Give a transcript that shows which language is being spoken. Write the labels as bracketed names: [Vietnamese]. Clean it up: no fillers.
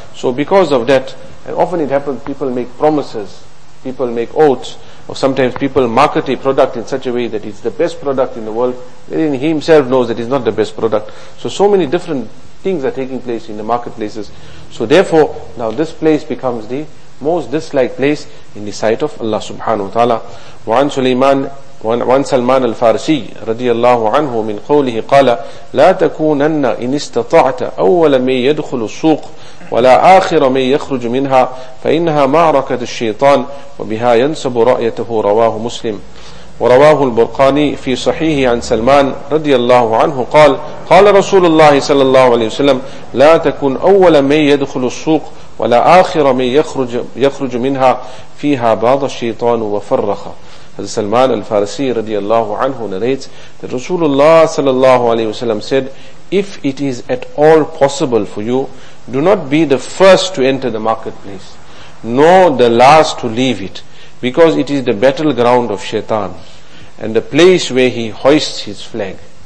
[English] So because of that, and often it happens, people make promises, people make oaths, or sometimes people market a product in such a way that it's the best product in the world, wherein he himself knows that it's not the best product. So many different things are taking place in the marketplaces. So therefore, now this place becomes the most disliked place in the sight of Allah subhanahu wa ta'ala. [Arabic] وعن سليمان وعن سلمان الفارسي رضي الله عنه من قوله قال لا تكونن إن استطعت أول من يدخل السوق ولا آخر من يخرج منها فإنها معركة الشيطان وبها ينسب رأيته. رواه مسلم. ورواه البرقاني في صحيح عن سلمان رضي الله عنه قال قال رسول الله صلى الله عليه وسلم لا تكون أول من يدخل السوق ولا آخر من يخرج منها فيها بعض الشيطان وفرخ. [English] Salman al-Farsi radiallahu anhu narrates that Rasulullah sallallahu alayhi wa sallam said, if it is at all possible for you, do not be the first to enter the marketplace, nor the last to leave it, because it is the battleground of shaitan, and the place where he hoists his flag.